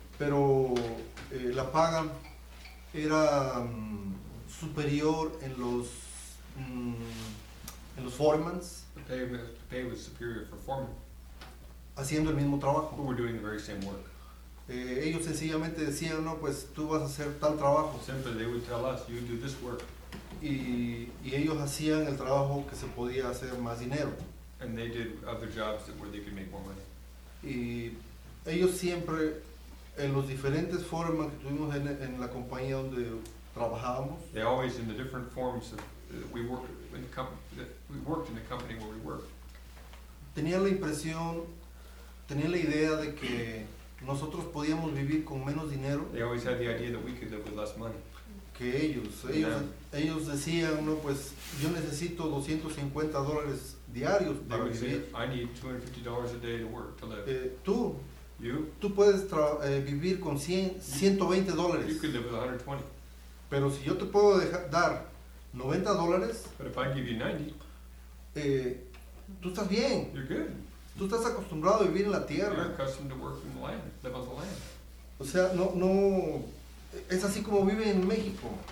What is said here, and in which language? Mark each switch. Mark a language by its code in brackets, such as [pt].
[es] Pero la paga era superior en los foremans. [en] The pay was superior for foremen. [es] Haciendo el mismo trabajo. [en] We were doing the very same work. [es] Ellos sencillamente decían, no, pues tú vas a hacer tal trabajo. [en] Simply they would tell us, you do this work. [es] Y ellos hacían el trabajo que se podía hacer más dinero. [en] And they did other jobs where they could make more money. [es] Y ellos siempre, en los diferentes foremans que tuvimos en la compañía donde trabajábamos. [en] They always in the different forms of, we worked in the company, we worked in the company where we worked. [es] Tenían la impresión, tenían la idea de que nosotros podíamos vivir con menos dinero. [en] They always had the idea that we could live with less money. [es] que ellos. Ellos decían, no, pues yo necesito $250 diarios para vivir. [en] They would say, I need $250 a day to work, to live. [es] Tú puedes vivir con $120. [en] You could live with $120. [es] Pero si yo te puedo dar $90. [en] But if I give you $90. [es] Tú estás bien. [en] You're good. [es] Tú estás acostumbrado a vivir en la tierra. [en] You're accustomed to work in the land, live on the land. [es] O sea, no, es así como vive en México.